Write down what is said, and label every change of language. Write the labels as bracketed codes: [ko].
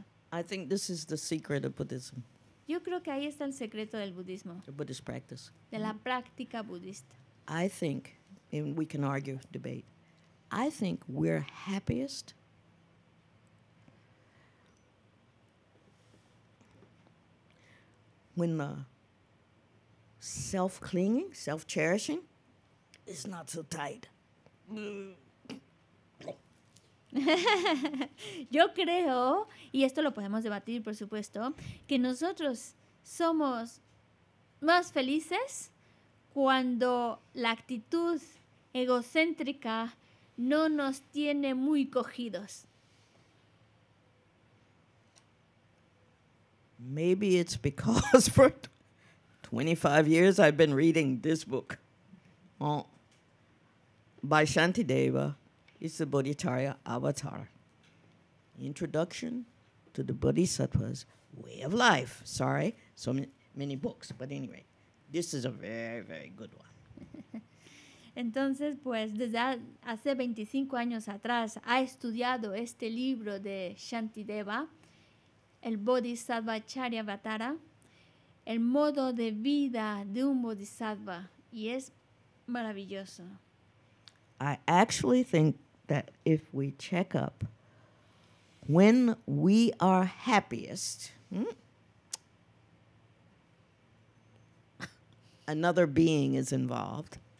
[en] I think this is the secret of Buddhism. [es] Yo creo que ahí está el secreto del budismo. [en] The Buddhist practice. [es] De la práctica budista. [en] I think, and we can argue, debate, I think we're happiest when the self-clinging, self-cherishing, is not so tight. [es] Yo creo, y esto lo podemos debatir, por supuesto, que nosotros somos más felices cuando la actitud egocéntrica no nos tiene muy cogidos. [en] Maybe it's because for 25 years I've been reading this book by Shantideva. It's the Bodhicharya Avatar. Introduction to the Bodhisattva's Way of Life. Sorry, so many books. But anyway, this is a very, very good one. [es] Entonces, pues, desde hace 25 años atrás ha estudiado este libro de Shantideva, el Bodhisattvacharya Avatara, el modo de vida de un bodhisattva, y es maravilloso. [en] I actually think that if we check up when we are happiest, another being is involved.